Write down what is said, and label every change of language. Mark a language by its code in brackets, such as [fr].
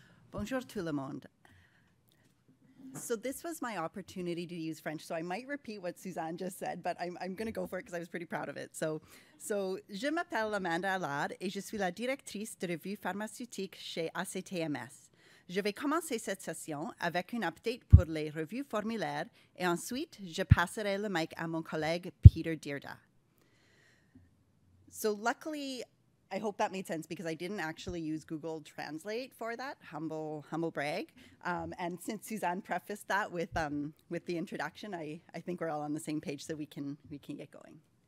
[fr] Bonjour tout le monde. [en] So this was my opportunity to use French, so I might repeat what Suzanne just said, but I'm going to go for it because I was pretty proud of it. [fr] So je m'appelle Amanda Allard et je suis la directrice de revue pharmaceutique chez ACTMS. Je vais commencer cette session avec une update pour les revues formulaires et ensuite je passerai le mic à mon collègue Peter Dierda. [en] So luckily, I hope that made sense because I didn't actually use Google Translate for that, humble brag. And since Suzanne prefaced that with the introduction, I think we're all on the same page so we can get going.